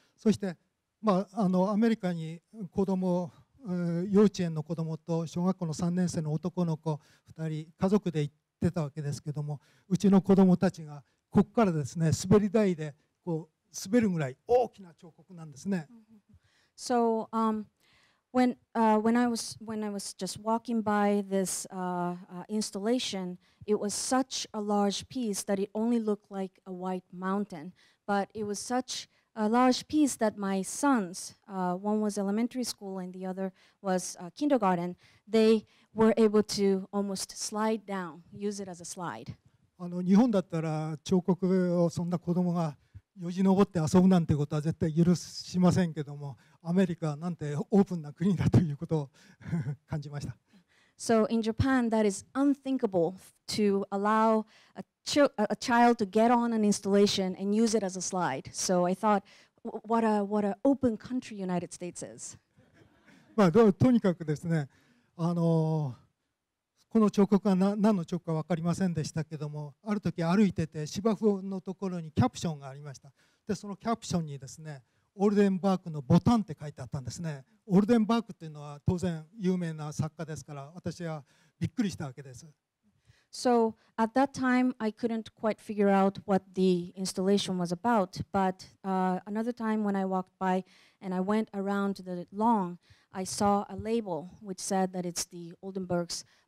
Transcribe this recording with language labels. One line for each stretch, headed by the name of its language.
Japanese: そして、まあ、アメリカに子供、幼稚園の子供と小学校の3年生の男の子2人家族で行ってたわけですけども、うちの子供たちがここからですね、滑り台でこう滑るぐらい大きな彫刻なんですね。
English: So, when I was just walking by this installation, it was such a large piece that it only looked like a white mountain, but it was such a large piece that my sons, one was elementary school and the other was kindergarten, they were able to almost slide down, use it as a slide.
Japanese: 日本だったら彫刻をそんな子供がよじ登って遊ぶなんてことは絶対許しませんけども、アメリカなんてオープンな国だということを感じました。
English: So in Japan, that is unthinkable to allow a child to get on an installation and use it as a slide. So I thought, what a open country United States is.
Japanese: まあ、とにかくですね、この彫刻は何の彫刻か分かりませんでしたけども、ある時歩いてて芝生のところにキャプションがありました。でそのキャプションにですね、オルデンバークのボタンって書いてあったんですね。オルデンバークっていうのは当然有名な作家ですから、私はびっくりしたわけです。
English: So at that time I couldn't quite figure out what the installation was about, but another time when I walked by and I went around the lawn, I saw a label which said that it's the Oldenburg's